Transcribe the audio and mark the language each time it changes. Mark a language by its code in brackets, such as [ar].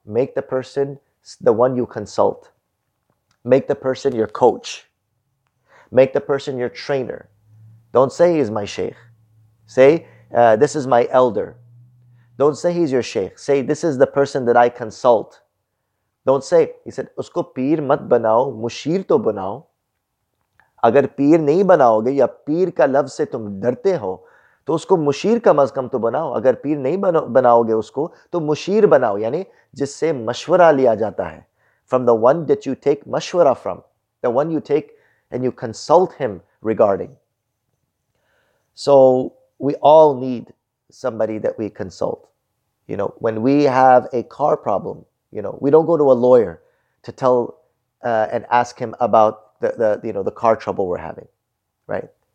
[en] Make the person the one you consult. Make the person your coach. Make the person your trainer. Don't say he's my sheikh. Say, this is my elder. Don't say he's your sheikh. Say, this is the person that I consult. Don't say, he said, [ur] उसको पीर मत बनाओ, मुशीर तो बनाओ. اگر پیر نہیں بناؤ گے، یا پیر کا لفظ سے تم ڈرتے ہو، تو اس کو مشیر کم از کم تو بناؤ۔ اگر پیر نہیں بناؤ گے اس کو، تو مشیر بناؤ۔ یعنی، جس سے مشورہ لیا جاتا ہے۔ [en] From the one that you take mashwara from. The one you take and you consult him regarding. So, we all need somebody that we consult. You know, when we have a car problem, you know, we don't go to a lawyer to tell and ask him about the car trouble we're having, right?